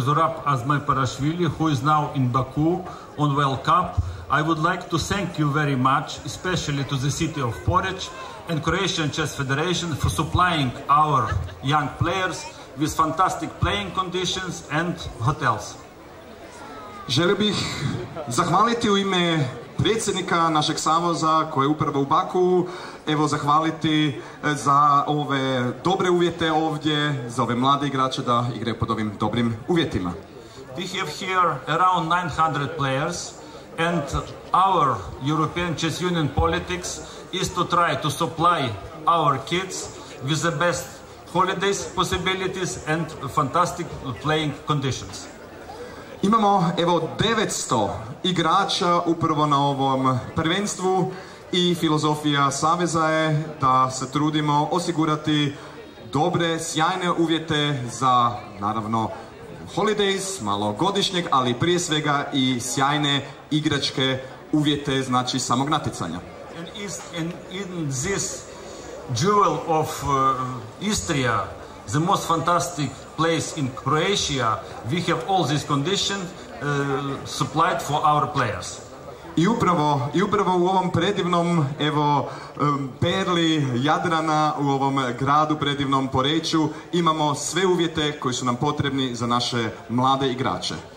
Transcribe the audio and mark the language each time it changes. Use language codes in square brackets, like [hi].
[en] Zorab Azmajparashvili, who is now in Baku on World Cup, I would like to thank you very much, especially to the city of Poreč and Croatian Chess Federation for supplying our young players with fantastic playing conditions and hotels. [hr] Želio bih zahvaliti u ime predsjednika našeg savoza koji je upravo u Baku, evo zahvaliti za ove dobre uvjete ovdje, za ove mlade igrače da igraju pod ovim dobrim uvjetima. [en] We have here around 900 players and our European Chess Union politics is to try to supply our kids with the best holidays possibilities and fantastic playing conditions. [hr] Imamo evo 900 igrača upravo na ovom prvenstvu i filozofija saveza je da se trudimo osigurati dobre, sjajne uvjete za naravno holidays, malo godišnjeg, ali prije svega i sjajne igračke uvjete, znači samog natjecanja. [en] And in this jewel of Istria, the most fantastic place in Croatia, we have all these conditions supplied for our players. [hr] I upravo u ovom predivnom, evo, perli Jadrana, u ovom gradu predivnom Poreču, imamo sve uvjete koji su nam potrebni za naše mlade igrače.